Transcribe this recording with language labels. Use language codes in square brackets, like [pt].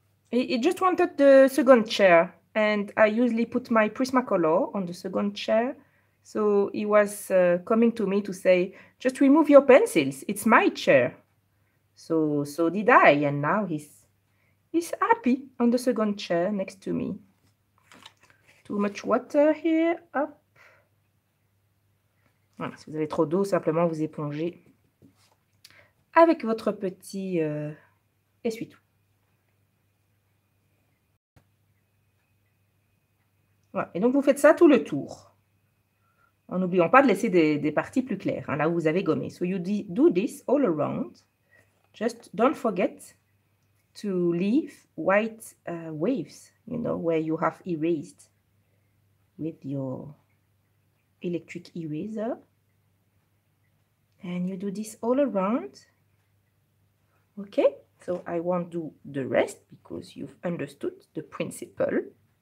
[en] It just wanted the second chair. And I usually put my Prismacolor on the second chair. So he was coming to me to say, just remove your pencils. It's my chair. So did I. And now he's happy on the second chair next to me. Too much water here. Up. [fr] Voilà, si vous avez trop d'eau, simplement vous épongez avec votre petit essuie-tout. Ouais. Et donc, vous faites ça tout le tour. En n'oubliant pas de laisser des parties plus claires, hein, là où vous avez gommé. [en] So, you do this all around. Just don't forget to leave white waves, you know, where you have erased with your electric eraser. And you do this all around. Okay, so I won't do the rest because you've understood the principle.